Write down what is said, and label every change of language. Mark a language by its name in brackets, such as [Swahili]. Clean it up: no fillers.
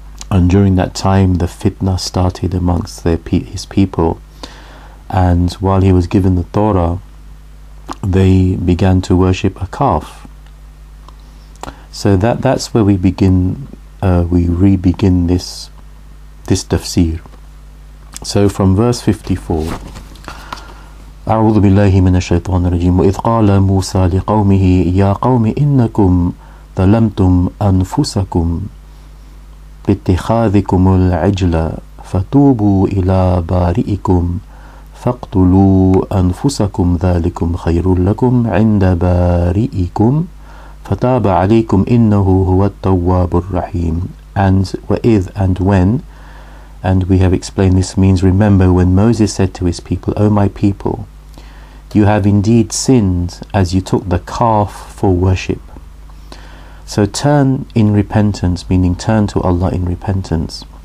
[English] And during that time the fitna started amongst his people. And while he was given the Torah, they began to worship a calf. So that's where we begin, we re-begin this tafsir. So from verse 54, [Arabic] أعوذ بالله من الشيطان الرجيم وإذ قال موسى لقومه يا قوم إنكم ظلمتم أنفسكم باتخاذكم العجل فتوبوا إلى بارئكم فاقتلوا أنفسكم ذلكم خير لكم عند بارئكم فتاب عليكم إنه هو التواب الرحيم. [English] And [Arabic] وإذ [English] and when, and we have explained this means, remember when Moses said to his people, O my people, you have indeed sinned as you took the calf for worship. So turn in repentance, meaning turn to Allah in repentance.